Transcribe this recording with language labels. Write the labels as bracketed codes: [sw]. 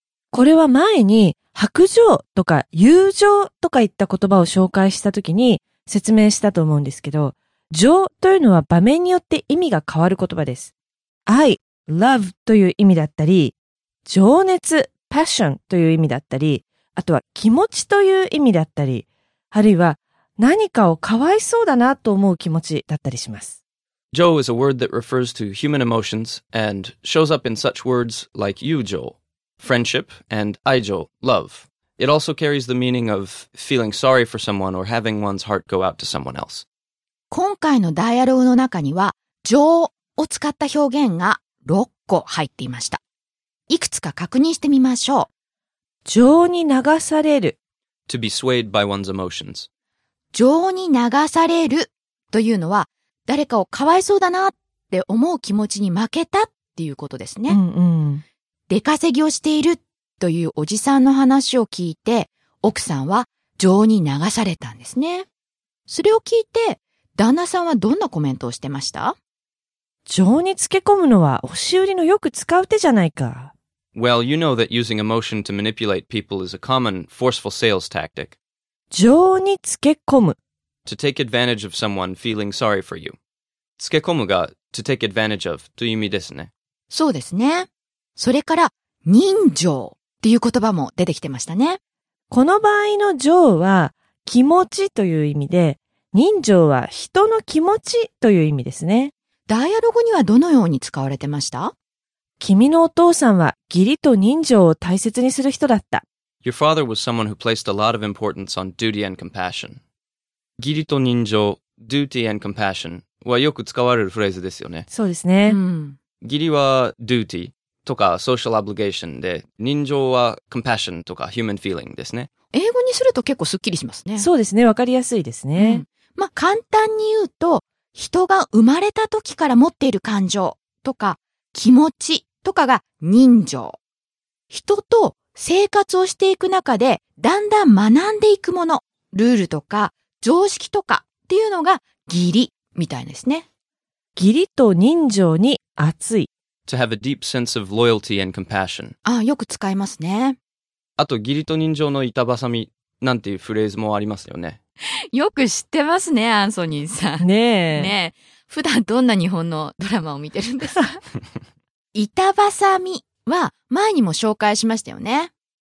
[ja] これは前に白情とか友情とかいった言葉を紹介した時に説明したと思うんですけど、情というのは場面によって意味が変わる言葉です。愛、love という意味だったり、情熱、passion という意味だったり、あとは気持ちという意味だったり、あるいは何かをかわいそうだなと思う気持ちだったりします。 [en] 情 is a word that refers to human emotions and shows up in such words like 友情, friendship, and 愛情, love. It also carries the meaning of feeling sorry for someone or having one's heart go out to someone else. [ja] 今回のダイアログの中には、情を使った表現が6個入っていました。いくつか確認してみましょう。情に流される。 [en] To be swayed by one's emotions. [ja] 情に流されるというのは、誰かをかわいそうだなって思う気持ちに負けたっていうことですね。うんうん、出稼ぎをしているというおじさんの話を聞いて、奥さんは情に流されたんですね。それを聞いて、旦那さんはどんなコメントをしてました？情につけ込むのは押し売りのよく使う手じゃないか。 [en] Well, you know that using emotion to manipulate people is a common forceful sales tactic. [ja] 情につけ込む。 [en] To take advantage of someone feeling sorry for you. [ja] つけ込むが [en] to take advantage of [ja] という意味ですね。そうですね。それから人情っていう言葉も出てきてましたね。この場合の情は気持ちという意味で、人情は人の気持ちという意味ですね。ダイアログにはどのように使われてました？君のお父さんは義理と人情を大切にする人だった。 [en] Your father was someone who placed a lot of importance on duty and compassion. [ja] 義理と人情、 [en] duty and compassion [ja] はよく使われるフレーズですよね。そうですね。義理は duty とか [en] social obligation [ja] で、人情は compassion とか [en] human feeling [ja] ですね。英語にすると結構すっきりしますね。そうですね。わかりやすいですね。まあ簡単に言うと、人が生まれた時から持っている感情とか気持ちとかが人情。人と生活をしていく中で、だんだん学んでいくもの、ルールとか常識とかっていうのが義理みたいですね。義理と人情に熱い。 [en] To have a deep sense of loyalty and compassion. [ja] ああ、よく使いますね。あと、義理と人情の板挟みなんていうフレーズもありますよね。よく知ってますね、アンソニーさん。ねえ。ねえ。普段どんな日本のドラマを見てるんですか？板挟みは前にも紹介しましたよね。